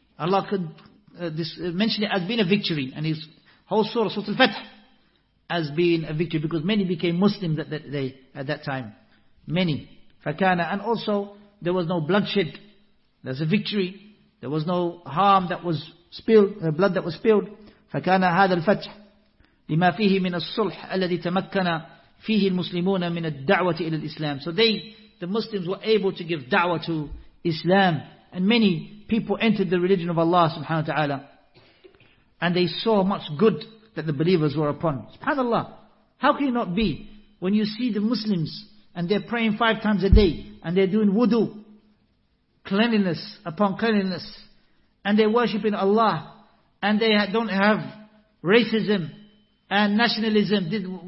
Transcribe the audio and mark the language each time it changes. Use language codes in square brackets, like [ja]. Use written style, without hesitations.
[en] Allah could mention it as being a victory, and his whole surah, Surah Al-Fath, as being a victory, because many became Muslim that day, at that time. Many. Fakana. And also, there was no bloodshed. There's a victory. There was no harm that was spilled, blood that was spilled. [ar] Fakana هذا الفتح لما فيه من الصلح الذي تمكن فيه المسلمون من الدعوة إلى الإسلام. [en] So they, the Muslims, were able to give da'wah to Islam, and many people entered the religion of Allah subhanahu wa ta'ala, and they saw much good that the believers were upon. Subhanallah, how can it not be when you see the Muslims and they're praying 5 times a day and they're doing wudu, cleanliness upon cleanliness, and they're worshipping Allah, and they don't have racism and nationalism.